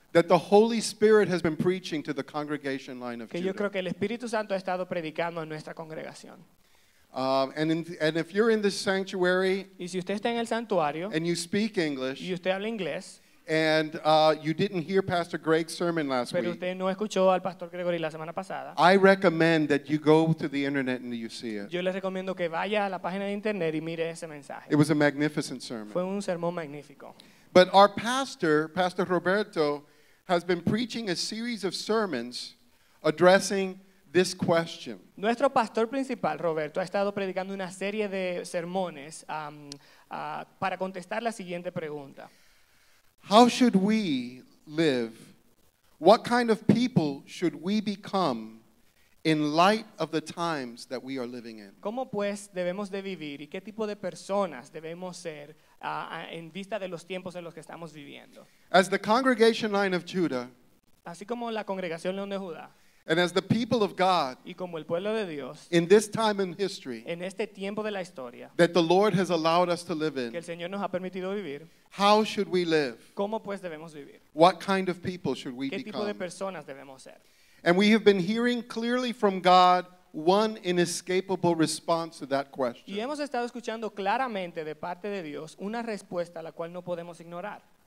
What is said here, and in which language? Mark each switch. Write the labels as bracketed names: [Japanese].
[English] That the Holy Spirit has been preaching to the congregation line of Judah. [Spanish] Yo creo que el Espíritu Santo ha estado predicando en nuestra congregación. [English] And if you're in this sanctuary, [Spanish] y si usted está en el santuario, [English] and you speak English, [Spanish] y usted habla inglés, [English] and you didn't hear Pastor Greg's sermon last [Spanish] week. Pero usted no escuchó al Pastor Gregory la semana pasada. [English] I recommend that you go to the internet and you see it. [Spanish] Yo les recomiendo que vaya a la página de internet y mire ese mensaje. [English] It was a magnificent sermon. [Spanish] Fue un sermón magnífico. [English] But our pastor, Pastor Roberto, has been preaching a series of sermons addressing this question. [Spanish] Nuestro pastor principal, Roberto, ha estado predicando una serie de sermones para contestar la siguiente pregunta. [English] How should we live? What kind of people should we become in light of the times that we are living in? [Spanish] ¿Cómo pues debemos de vivir y qué tipo de personas debemos ser en vista de los tiempos en los que estamos viviendo? [English] As the congregation line of Judah, [Spanish] así como la congregación León de Judá, [English] and as the people of God, [Spanish] y como el pueblo de Dios, [English] in this time in history, [Spanish] en este tiempo de la historia, [English] that the Lord has allowed us to live in, [Spanish] que el Señor nos ha permitido vivir, [English] how should we live? [Spanish] ¿Cómo pues debemos vivir? [English] What kind of people should we [Spanish] ¿Qué [English] become? [Spanish] Tipo de personas debemos ser? [English] And we have been hearing clearly from God one inescapable response to that question. [Spanish] Y hemos estado escuchando claramente de parte de Dios una respuesta a la cual no podemos ignorar.